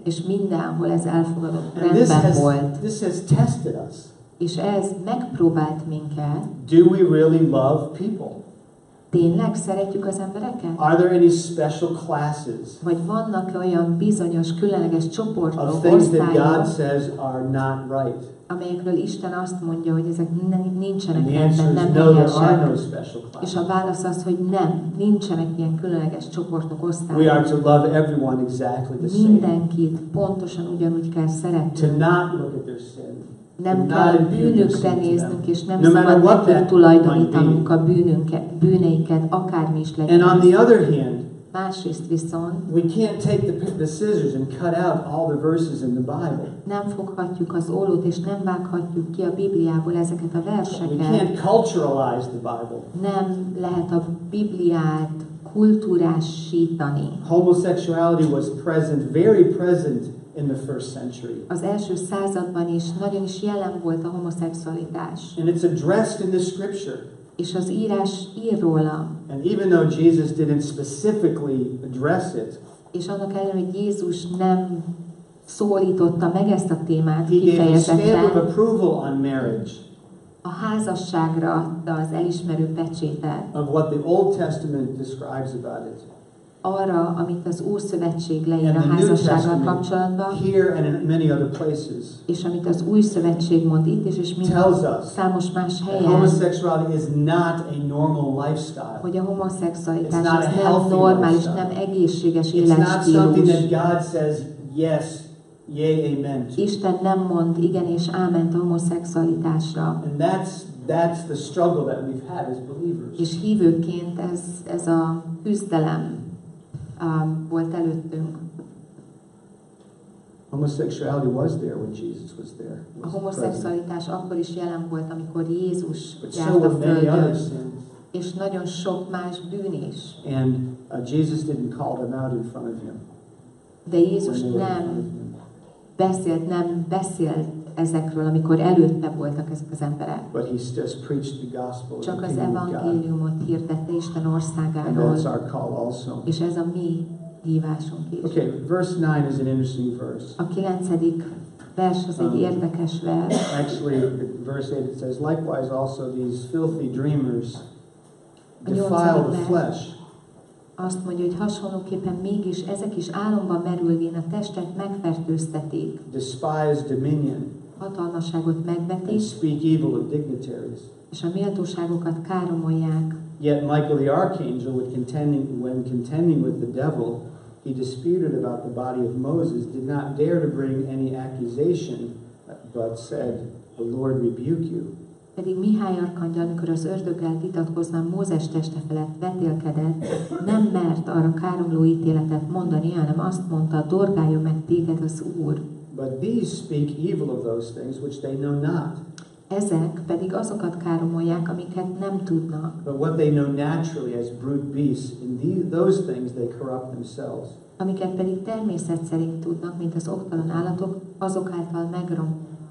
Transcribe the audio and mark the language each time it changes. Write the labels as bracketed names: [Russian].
[Hungarian] És mindenhol ez elfogadott, rendben volt. [English] This has tested us. [Hungarian] És ez megpróbált minket. [English] Do we really love people? [Hungarian] Tényleg szeretjük az embereket? [English] Are there any special classes? [Hungarian] Vagy vannak olyan bizonyos különleges csoportok, [English] of things that God says are not right? [Hungarian] Amelyekről Isten azt mondja, hogy ezek nincsenek [English] and the [Hungarian] rendben, nem [English] no, [Hungarian] helyesek. [English] There are no special classes. [Hungarian] És a válasz az, hogy nem, nincsenek ilyen különleges csoportok, osztályok. [English] We are to love everyone exactly the same. [Hungarian] Mindenkit pontosan ugyanúgy kell szeretni. [English] To not look at their sin. [Hungarian] Nem kell bűnökre néznünk, és nem szabad nekünk tulajdonítanunk a bűneiket, akármi is legyen. [English] And on the other hand, [Hungarian] másrészt viszont, [English] we can't take the scissors and cut out all the verses in the Bible. [Hungarian] Nem foghatjuk az ólót, és nem vághatjuk ki a Bibliából ezeket a verseket. [English] We can't culturalize the Bible. [Hungarian] Nem lehet a Bibliát kultúrásítani. [English] Homosexuality was present, very present in the first century. [Hungarian] Az első században is nagyon is jelen volt a homoszexualitás. [English] And it's addressed in the scripture. [Hungarian] És az írás ír róla. [English] And even though Jesus didn't specifically address it, [Hungarian] és annak ellenére, hogy Jézus nem szólította meg ezt a témát kifejezetten, [English] he gave a stamp of approval on marriage. [Hungarian] A házasságra adta az elismerő pecsétet. [English] Of what the Old Testament describes about it. [Hungarian] Arra, amit az Újszövetség leír a házassággal kapcsolatban, [English] here and in many other places, [Hungarian] és amit az Újszövetség mond itt is, és mind számos más helyen, [English] homosexuality is not a normal lifestyle. [Hungarian] Hogy a homoszexualitás az nem normális, [English] lifestyle. [Hungarian] Nem egészséges életstílus. [English] It's not something that God says yes, yay, amen to. [Hungarian] Isten nem mond igen és áment a homoszexualitásra. [English] And that's the struggle that we've had as believers. [Hungarian] És hívőként ez a küzdelem volt előttünk. [English] Homosexuality was there when Jesus was there. [Hungarian] A homoszexualitás akkor is jelen volt, amikor Jézus járt a földön. És nagyon sok más bűn is. [English] And Jesus didn't call them out in front of him. [Hungarian] De Jézus nem beszélt, nem beszélt ezekről, amikor előtte voltak ezek az emberek. [English] But he just preached the gospel. [Hungarian] Csak az evangéliumot hirdette Isten országáról. [English] And that's our call also. [Hungarian] És ez a mi hívásunk is. [English] Okay, verse 9 is an interesting verse. [Hungarian] A 9. vers az egy érdekes vers. [English] Actually, verse 8 it says, likewise also these filthy dreamers defile the flesh. [Hungarian] Azt mondja, hogy hasonlóképpen mégis ezek is álomban merülvén a testet megfertőztetik. [English] Despise dominion. [Hungarian] Hatalmasságot megvetik. [English] Speak evil of dignitaries. [Hungarian] És a méltóságokat káromolják. [English] Yet Michael the archangel, when contending with the devil, he disputed about the body of Moses, did not dare to bring any accusation, but said, "The Lord rebuke you." [Hungarian] Pedig Mihály arkangyal, amikor az ördöggel vitatkozva Mózes teste felett vetélkedett, nem mert arra káromló ítéletet mondani, hanem azt mondta, dorgáljon meg téged az Úr. [English] But these speak evil of those things which they know not. [Hungarian] Ezek pedig azokat káromolják, amiket nem tudnak. [English] But what they know naturally as brute beasts, in those things they corrupt themselves. [Hungarian] Amiket pedig természet szerint tudnak, mint az oktalan állatok, azok által megromlik.